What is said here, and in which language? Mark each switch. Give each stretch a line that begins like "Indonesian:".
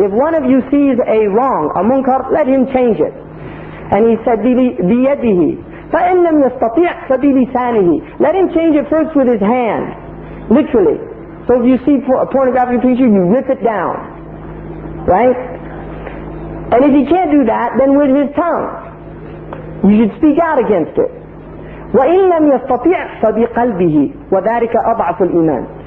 English: If one of you sees a wrong, a munkar, let him change it. And he said,
Arabic: بِيَدِهِ فَإِنْ لَمْ يَسْتَطِعْ فَبِلِسَانِهِ.
English: Let him change it first with his hand, literally. So if you see a pornographic picture, you rip it down, right? And if he can't do that, then with his tongue. You should speak out against it.
Arabic: وَإِنْ لَمْ يَسْتَطِعْ فَبِقَلْبِهِ وَذَلِكَ أَضْعَفُ الْإِيمَانِ.